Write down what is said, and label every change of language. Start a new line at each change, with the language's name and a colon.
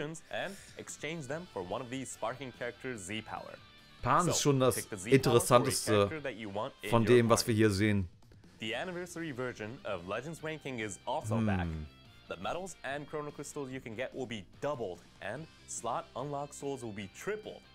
English: And exchange them for one of these sparking characters Z-Power.
German: Pan ist schon das Interessanteste von dem, was wir hier sehen.
English: The anniversary version of Legends Ranking is also back. The medals and chrono crystals you can get will be doubled and slot unlock souls will be tripled.